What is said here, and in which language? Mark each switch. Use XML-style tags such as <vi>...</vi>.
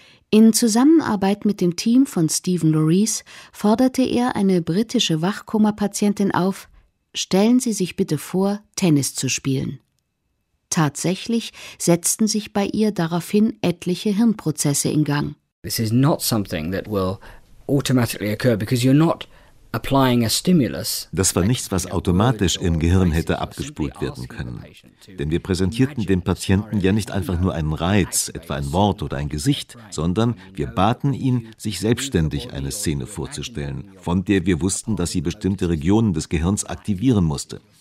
<de>In Zusammenarbeit mit dem Team von Stephen Lorries forderte er eine britische Wachkoma-Patientin auf: Stellen Sie sich bitte vor, Tennis zu spielen. Tatsächlich setzten sich bei ihr daraufhin etliche Hirnprozesse in Gang.</de> <en>This is not something that will automatically occur because you're not applying a stimulus.</en> <de>Das war nichts, was automatisch im Gehirn hätte abgespult werden können. Denn wir präsentierten dem Patienten ja nicht einfach nur einen Reiz, etwa ein Wort oder ein Gesicht, sondern wir baten ihn, sich selbstständig eine Szene vorzustellen, von der wir wussten, dass sie bestimmte Regionen des Gehirns aktivieren musste.</de>